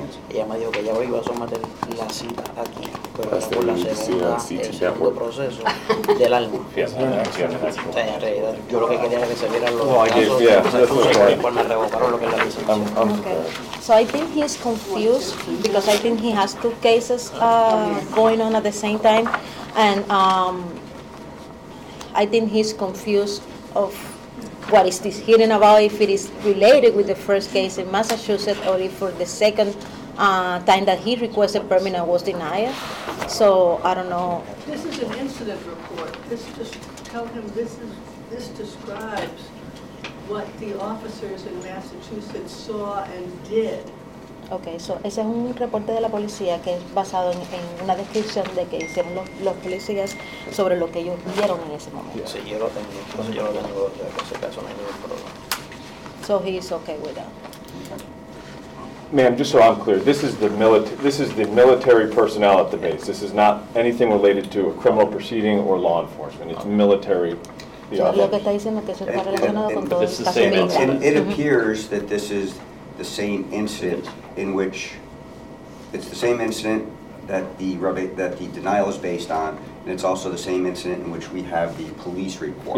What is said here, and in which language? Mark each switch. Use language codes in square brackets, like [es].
[es] Ella me dijo que ya iba a someter la cita aquí, pero por la segunda, el segundo proceso del alma. En realidad, yo lo que quería era que se vieran los casos y después me revocaron lo que es la licencia. [en] So I think he is confused because I think he has two cases going on at the same time, and I think he's confused of what is this hearing about, if it is related with the first case in Massachusetts or if for the second time that he requested permit and was denied. So I don't know. This is an incident report. This just tell him this describes what the officers in Massachusetts saw and did. [es] Okay, so ese es un reporte de la policía que es basado en una descripción de que hicieron los policías sobre lo que ellos vieron en ese momento. Sí, yo lo tengo. Entonces yo lo tengo ya que ese caso no hay ningún problema. [en] So he's okay with that. Ma'am, just so I'm clear, this is the military personnel at the base. This is not anything related to a criminal proceeding or law enforcement. It's military. It appears that this is the same incident in which it's the same incident that the denial is based on, and it's also the same incident in which we have the police report.